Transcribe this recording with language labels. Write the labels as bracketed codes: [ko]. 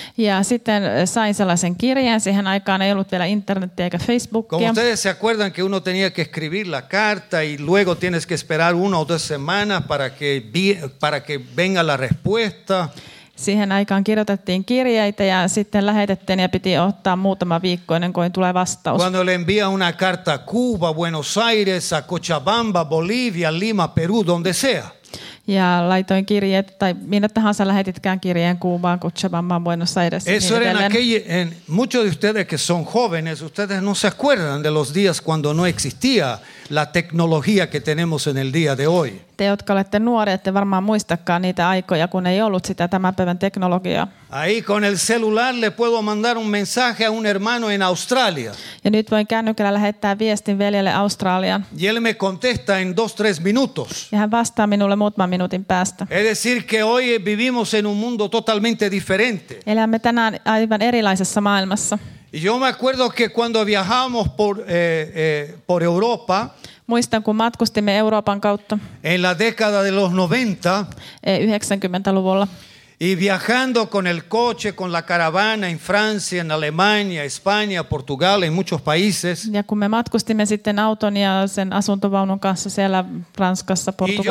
[fi] Ja sitten sain sellaisen kirjan, siihen aikaan ei ollut vielä internetiä eikä Facebookia. [es] Como ustedes se acuerdan que uno tenía que escribir la carta y luego tienes que esperar una o dos semanas para que venga la respuesta. [fi] Siihen aikaan kirjoitettiin kirjeitä ja sitten lähetettiin ja piti ottaa muutama viikko ennen kuin tulee vastaus. [es] Cuando le envía una carta a Cuba, Buenos Aires, a Cochabamba, Bolivia, Lima, Perú, donde sea. [fi] Ja laitoin kirjeet, tai minne tahansa lähetitkään kirjeen Kuubaan, Cochabambaan, Buenos Aires. [es] Eso era en muchos de ustedes que son jóvenes, ustedes no se acuerdan de los días cuando no existía la tecnología que tenemos en el día de hoy. [fi] Te, jotka olette nuoria, ette varmaan muistakaan niitä aikoja, kun ei ollut sitä tämän päivän teknologiaa. [es] Ahí con el celular le puedo mandar un mensaje a un hermano en Australia. [fi] Ja nyt voin kännykällä lähettää viestin veljelle Australiaan. [es] Y él me contesta en 2-3 minutos. [fi] Ja hän vastaa minulle muutaman minuutin päästä. [es] Es decir que hoy vivimos en un mundo totalmente diferente. [fi] Elämme tänään aivan erilaisessa maailmassa. [es] Y yo me acuerdo que cuando viajamos por Europa. [fi] Muistan, kun matkustimme Euroopan kautta. [es] En la década de los 90. [fi] 90-luvulla. [es] Y viajando con el coche, con la caravana en Francia, en Alemania, España, Portugal, en muchos países. [fi] Ja kun me matkustimme sitten auton ja sen asuntovaunun kanssa siellä Ranskassa, Portugalissa.